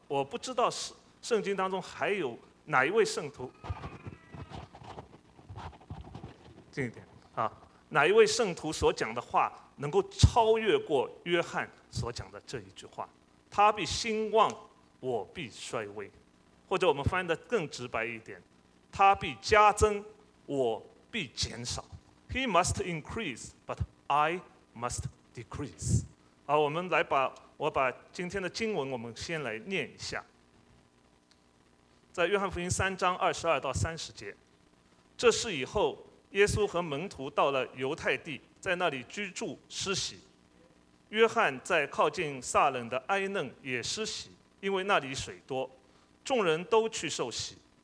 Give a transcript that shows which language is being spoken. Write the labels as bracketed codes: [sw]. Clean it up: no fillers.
[zh] 我不知道是圣经当中还有哪一位圣徒，近一点啊，哪一位圣徒所讲的话能够超越过约翰所讲的这一句话？他必兴旺，我必衰微。或者我们翻译的更直白一点，他必加增，我必减少。 [en] He must increase, but I must decrease。 [zh] 好，我们来把我把今天的经文我们先来念一下。在约翰福音3:22-30，这事以后，耶稣和门徒到了犹太地，在那里居住施洗。约翰在靠近撒冷的埃嫩也施洗，因为那里水多，众人都去受洗。